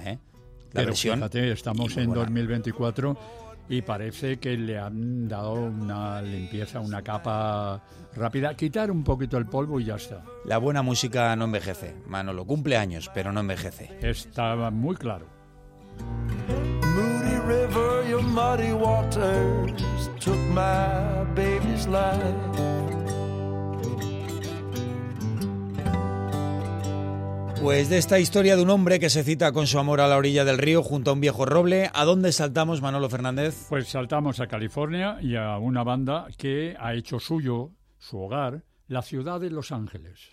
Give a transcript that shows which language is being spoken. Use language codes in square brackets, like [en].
[es] la pero versión. Fíjate, estamos en 2024 y parece que le han dado una limpieza, una capa rápida, quitar un poquito el polvo y ya está. La buena música no envejece, Manolo, cumple años, pero no envejece. Está muy claro. [en] Moody River, your muddy waters took my baby's life. [es] Pues de esta historia de un hombre que se cita con su amor a la orilla del río junto a un viejo roble, ¿a dónde saltamos, Manolo Fernández? Pues saltamos a California y a una banda que ha hecho suyo, su hogar, la ciudad de Los Ángeles.